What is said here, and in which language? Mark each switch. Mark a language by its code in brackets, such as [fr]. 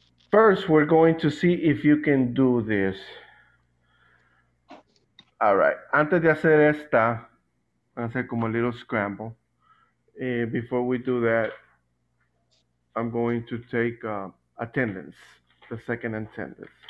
[en] First, we're going to see if you can do this. All right. [es] Antes de hacer esta, hacer como [en] a little scramble. Before we do that, I'm going to take a attendance, the second attendance.